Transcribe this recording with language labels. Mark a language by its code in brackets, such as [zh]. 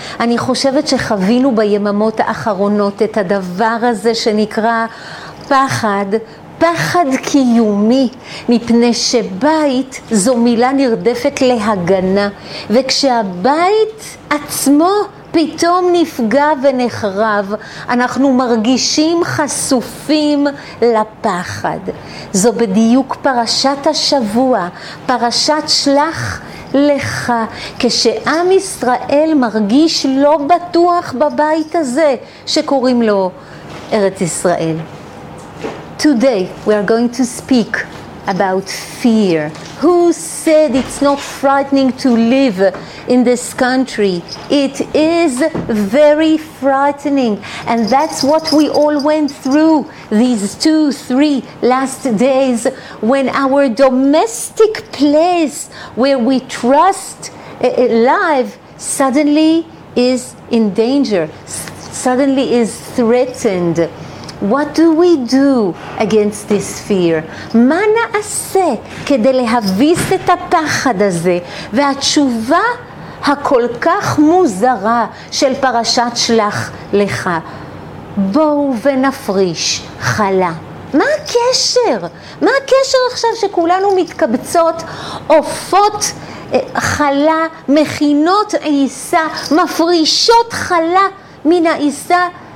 [he] אני חושבת שחווינו ביממות האחרונות את הדבר הזה שנקרא פחד, פחד קיומי, מפני שבית זו מילה נרדפת להגנה, וכשהבית עצמו פתאום נפגע ונחרב, אנחנו מרגישים חשופים לפחד. זו בדיוק פרשת השבוע, פרשת שלח לך, כשעם ישראל מרגיש לא בטוח בבית הזה שקוראים לו ארץ ישראל. [en] Today we are going to speak about fear. Who said it's not frightening to live in this country? It is very frightening, and that's what we all went through these 2-3 last days, when our domestic place where we trust live suddenly is in danger, suddenly is threatened. What do we do against this fear? [he] מה נעשה כדי להביס את הפחד הזה? והתשובה הכל כך מוזרה של פרשת שלח לך. בואו ונפריש חלה. מה הקשר? מה הקשר עכשיו שכולנו מתקבצות, אופות חלה, מכינות עיסה, מפרישות חלה מן העיסה?